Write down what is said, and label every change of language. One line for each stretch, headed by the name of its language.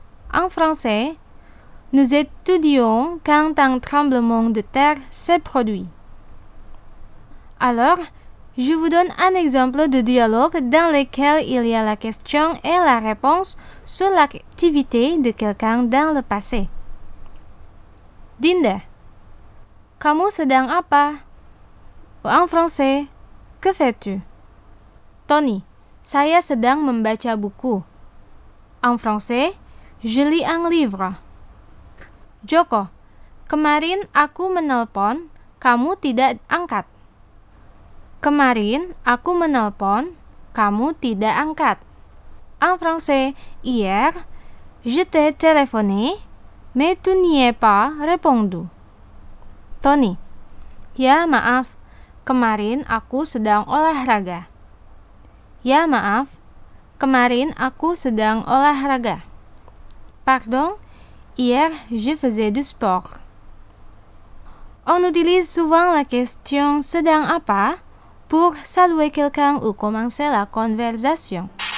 French: En français, nous étudions quand un tremblement de terre s'est produit. Alors, je vous donne un exemple de dialogue dans lequel il y a la question et la réponse sur l'activité de quelqu'un dans le passé. Dinda,
Indonesian: kamu sedang apa?
French: En français, que fais-tu? Tony,
Indonesian: saya sedang membaca buku.
French: En français, je lis un livre.
Indonesian: Joko, kemarin aku menelpon, kamu tidak angkat. Kemarin aku menelpon, kamu tidak angkat.
French: En français, hier, je t'ai téléphoné, mais tu n'y es pas répondu.
Indonesian: Tony, ya maaf, kemarin aku sedang olahraga. Ya maaf, kemarin aku sedang olahraga.
French: Pardon, hier je faisais du sport. On utilise souvent la question «
Indonesian: sedang apa ?»
French: pour saluer quelqu'un ou commencer la conversation.